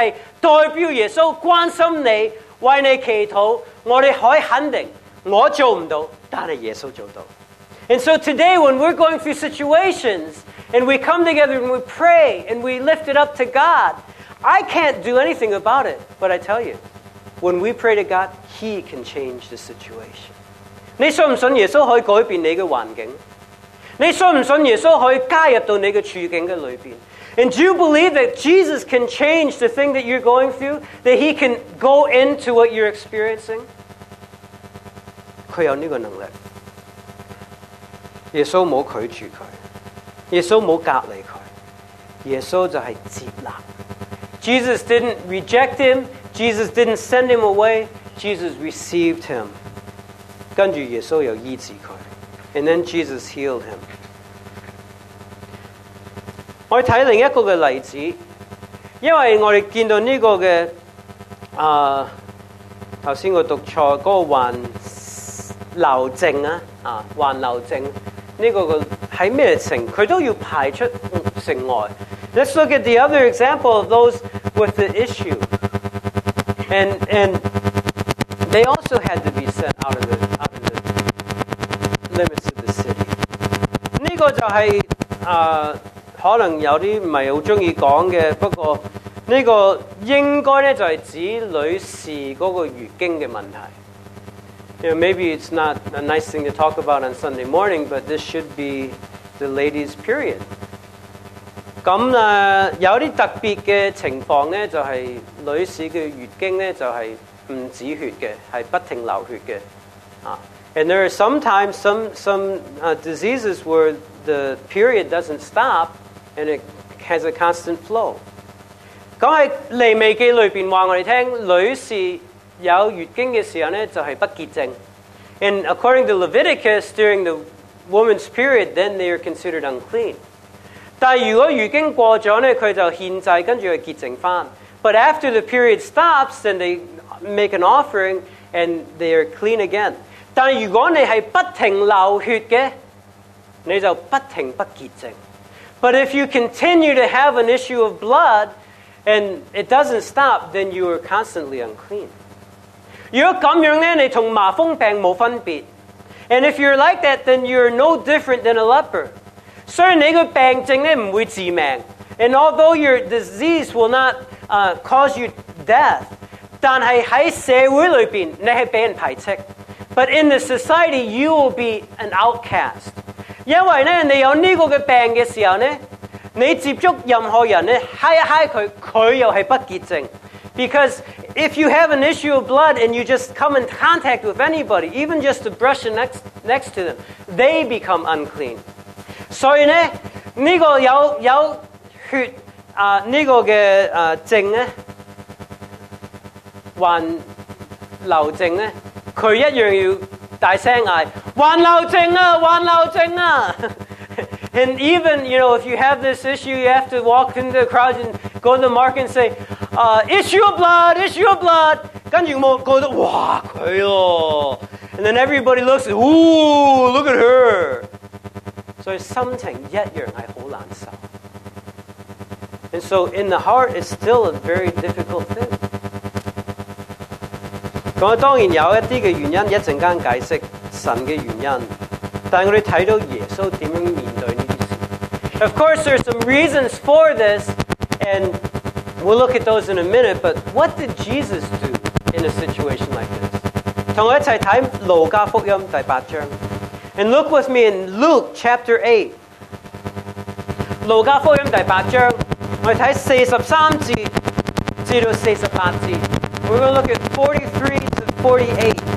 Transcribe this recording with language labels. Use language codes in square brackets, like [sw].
[zh] 所以你今天面对的事，当我们是代表耶稣关心你， 为你祈祷，我们可以肯定，我做不到，但是耶稣做到。 [en] And so today when we're going through situations and we come together and we pray and we lift it up to God, I can't do anything about it. But I tell you, when we pray to God, He can change the situation. [zh] 你信不信耶稣可以改变你的环境?你信不信耶稣可以加入到你的处境里面? [en] And do you believe that Jesus can change the thing that you're going through? That he can go into what you're experiencing? [zh] 他有这个能力。耶稣没拒绝他。耶稣没隔离他。耶稣就是接纳。Jesus [en] didn't reject him. Jesus didn't send him away. Jesus received him. [zh] 跟着耶稣又医治他。 And then Jesus healed him. 我们看另一个例子，因为我们看到这个的刚才我读错那个患流症患流症这个在什么情况他都要排出城外。 [en] Let's look at the other example of those with the issue and they also had to be sent out of the limits of the city. [zh] 这个就是可能有些不是很喜欢说的，不过这个应该就是指女士那个月经的问题。 [en] You know, maybe it's not a nice thing to talk about on Sunday morning, but this should be the lady's period. [zh] 咁有啲特別嘅情況咧，就係女士嘅月經咧，就係唔止血嘅，係不停流血嘅。 [en] And there are sometimes some diseases where the period doesn't stop and it has a constant flow. [zh] 咁喺利未記裏邊話我哋聽，女士有月經的時候呢就是不潔症。 [en] And according to Leviticus, during the woman's period, then they are considered unclean. [zh] 但如果月經過了呢，她就獻祭跟著去潔淨翻。 [en] But after the period stops, then they make an offering and they are clean again. [zh] 但如果你是不停流血的，你就不停不潔淨。 [en] But if you continue to have an issue of blood and it doesn't stop, then you are constantly unclean. [zh] 如果咁样咧，你同麻风病冇分别。 [en] And if you're like that, then you're no different than a leper. [zh] 虽然你个病症咧唔会致命 ， and although your disease will not cause you death，但系喺社会里边你系被人排斥。 [en] But in the society, you will be an outcast. [zh] 因为咧，你有呢个嘅病嘅时候咧，你接触任何人咧，嗨一嗨佢又系不洁症。 [en] Because if you have an issue of blood and you just come in contact with anybody, even just to brush next to them, they become unclean. [zh] 所以呢，这个有血这个的症呢，患流症呢，他一样要大声喊，患流症啊，患流症啊。 [en] And even, you know, if you have this issue, you have to walk into the crowd and go to the market and say, issue of blood, issue of blood. [zh] 跟住我觉得哇佢咯。 [en] And then everybody looks, ooh, look at her. [zh] 所以心情一样是很难受。 [en] And so in the heart, it's still a very difficult thing. [zh] 咁当然有一啲嘅原因，一阵间解释神嘅原因。但我哋睇到耶稣点样面对呢啲事。 [en] Of course, there's some reasons for this, and we'll look at those in a minute. But what did Jesus do in a situation like this? [zh] 同我一齐睇《路加福音》第八章。 [en] And look with me in Luke chapter 8. [zh] 路加福音第八章，我哋睇43-48. [en] We're going to look at 43-48.